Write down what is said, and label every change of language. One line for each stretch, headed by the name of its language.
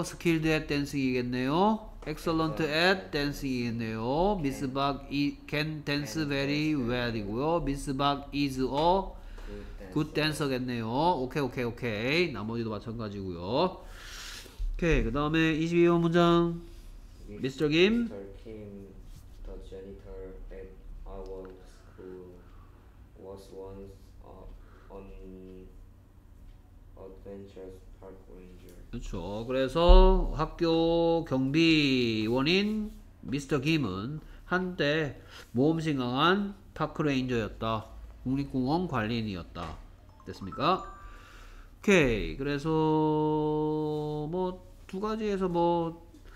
English: Skilled at dancing이겠네요. Excellent at dancing이겠네요. Miss Bug can dance very well이고요. Miss Bug is a good dancer겠네요. Okay, okay, okay.
Korean: 나머지도 마찬가지고요. Okay, 그 다음에 22번 문장. Mr.
English: Kim. Mr. Kim, the janitor at our school, was once on Adventures Park Ranger.
Korean: 그렇죠. 그래서 학교 경비원인 미스터 김은 한때 모험심강한 파크 레인저였다. 국립공원 관리인이었다. 됐습니까? 오케이. 그래서 뭐 두 가지에서 뭐